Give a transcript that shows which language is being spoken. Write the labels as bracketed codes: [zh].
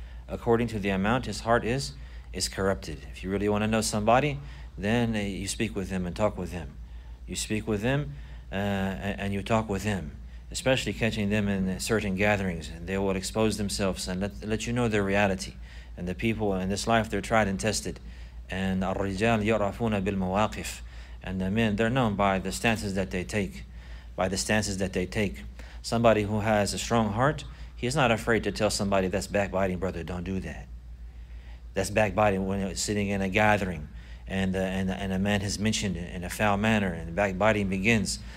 [en] According to the amount his heart is corrupted. If you really want to know somebody, then you speak with them and talk with them. You speak with them and you talk with them, especially catching them in certain gatherings, and they will expose themselves and let you know their reality. And the people in this life, they're tried and tested. [ar] And الرجال يعرفون بالمواقف. [en] And the men, they're known by the stances that they take. By the stances that they take. Somebody who has a strong heart, he's not afraid to tell somebody that's backbiting, brother, don't do that. That's backbiting when it's sitting in a gathering and a man has mentioned it in a foul manner and backbiting begins.